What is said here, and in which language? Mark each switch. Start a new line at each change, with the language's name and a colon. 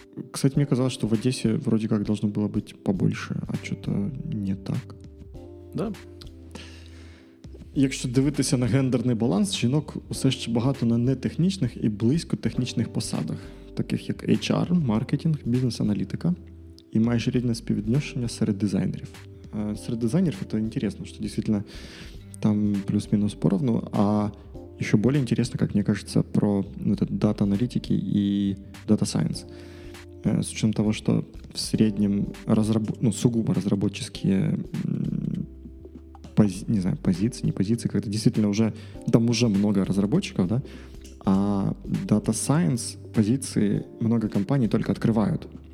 Russian: Кстати, мне казалось, что в Одессе вроде как должно было быть побольше, а что-то не так. Да.
Ukrainian: Якщо дивитися на гендерний баланс, жінок усе ще багато на нетехнічних і близько технічних посадах. Таких як HR, маркетинг, бізнес-аналітика і майже рівне співвідношення серед дизайнерів. Серед дизайнерів це інтересно, що дійсно там плюс-мінус порівну, а ще більше інтересно, як мені кажеться, про дата-аналітики і дата-сайенс.
Russian: с учетом того, что в среднем сугубо разработческие позиции, как это действительно уже, там уже много разработчиков, да, а Data Science позиции много компаний только открывают.